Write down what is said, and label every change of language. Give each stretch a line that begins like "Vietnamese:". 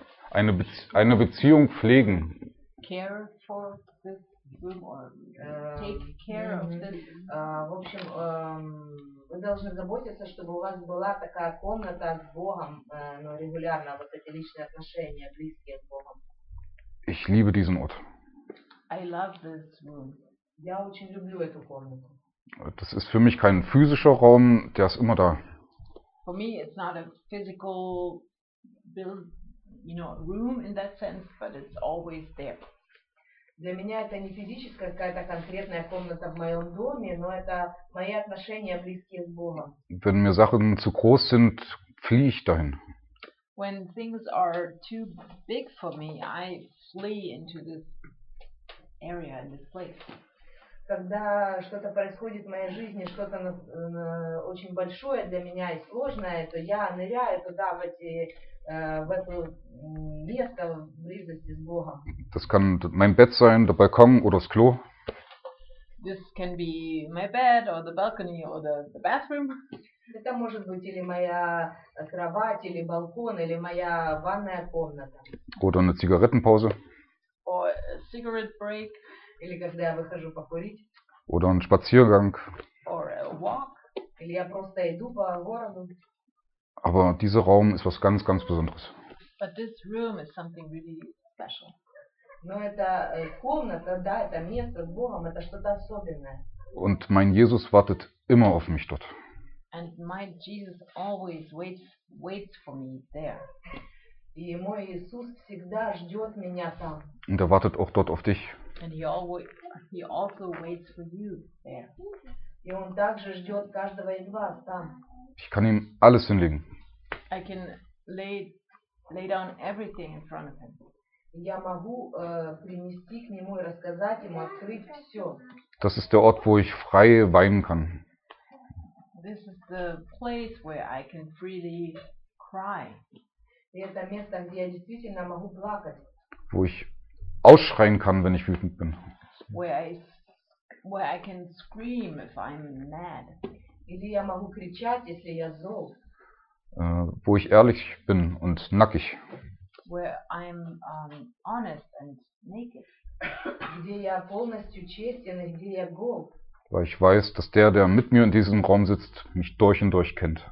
German: Eine Beziehung pflegen.
English: Care for this room or take care of this.
Russian: В общем, вы должны заботиться, чтобы у вас была такая комната с Богом, но регулярно вот эти личные отношения, близкие с Богом.
German: Ich liebe diesen Ort.
English: I love this room.
Russian: Я очень люблю эту комнату.
German: Das ist für mich kein physischer Raum, der ist immer da.
English: For me, it's not a physical build, you know, room in that sense, but it's always there.
Russian: Для меня это не физическая какая-то конкретная комната в моем доме, но это мои отношения близкие с Богом.
German: Wenn mir Sachen zu groß sind, fliehe ich dahin.
English: When things are too big for me, I flee into this area, in this place.
Russian: Когда что-то происходит в моей жизни, что-то очень большое для меня и сложное, то я ныряю туда, в эти, в это место, в близости с Богом.
German: Das kann mein Bett sein, der Balkon oder das Klo.
English: This can be my bed or the balcony or the bathroom.
Russian: Это может быть или моя кровать, или балкон, или моя ванная комната.
German: Oder eine Zigarettenpause.
English: Or a cigarette break.
Russian: Или когда я выхожу покурить.
German: Oder ein Spaziergang.
English: Or a walk.
Russian: Или я просто иду по городу.
German: Aber dieser Raum ist was ganz, ganz Besonderes.
English: But this room is something really special.
Russian: Но это комната, да, это место с Богом, это что-то особенное.
German: Und mein Jesus wartet immer auf mich dort.
English: And my Jesus always waits for me there.
Russian: И мой Иисус всегда ждет меня там.
German: Und er wartet auch dort auf dich.
English: And he also waits for you there.
Russian: И он также ждет каждого из вас там.
German: Ich kann ihm alles hinlegen.
English: I can lay down everything in front of him.
Russian: Я могу принести к нему и рассказать ему, открыть все.
German: Das ist der Ort, wo ich frei weinen kann.
English: This is the place where I can freely cry.
Russian: это место, где я действительно могу плакать.
German: Wo ich ausschreien kann, wenn ich wütend bin.
English: Where I can scream if I'm mad.
Russian: Или я могу кричать, если я зол.
German: Wo ich ehrlich bin und nackig.
English: Where I'm honest and naked.
Russian: Где я полностью честен и где я гол.
German: Weil ich weiß, dass der mit mir in diesem Raum sitzt, mich durch und durch kennt.